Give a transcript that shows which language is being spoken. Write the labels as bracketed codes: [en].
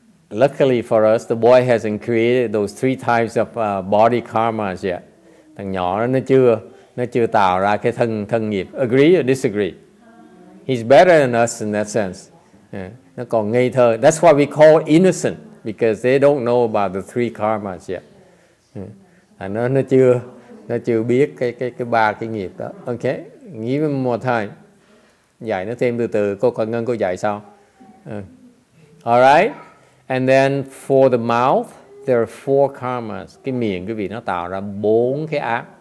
[en] Luckily for us, the boy hasn't created those three types of body karmas yet. [vi] Thằng nhỏ nó chưa tạo ra cái thân nghiệp. [en] Agree or disagree? He's better than us in that sense. Yeah. [vi] Nó còn ngây thơ. [en] That's why we call innocent, because they don't know about the three karmas yet. Yeah. [vi] Nó chưa biết cái ba cái nghiệp đó. [en] Okay, give him more time. [vi] Dạy nó thêm từ từ. Cô Quảng Ngân cô dạy sao? [en] All right. And then for the mouth, there are four karmas. [vi] Cái miệng quý vị nó tạo ra bốn cái ác.